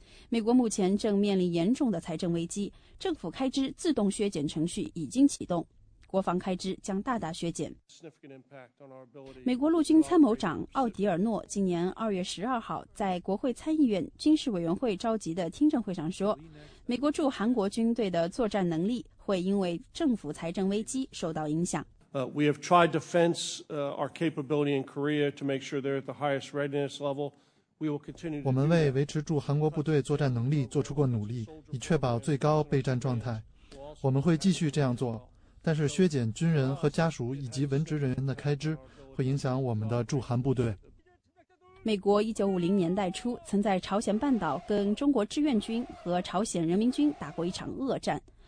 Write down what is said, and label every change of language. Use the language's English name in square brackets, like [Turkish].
[Chinese] 美国目前正面临严重的财政危机，政府开支自动削减程序已经启动，国防开支将大大削减。美国陆军参谋长奥迪尔诺今年2月12号在国会参议院军事委员会召集的听证会上说，美国驻韩国军队的作战能力会因为政府财政危机受到影响。 [English] We have tried to fence our capability in Korea to make sure they're at the highest readiness level. We will continue. [Chinese] 我们为维持驻韩国部队作战能力做出过努力，以确保最高备战状态。我们会继续这样做，但是削减军人和家属以及文职人员的开支会影响我们的驻韩部队。美国1950年代初曾在朝鲜半岛跟中国志愿军和朝鲜人民军打过一场恶战。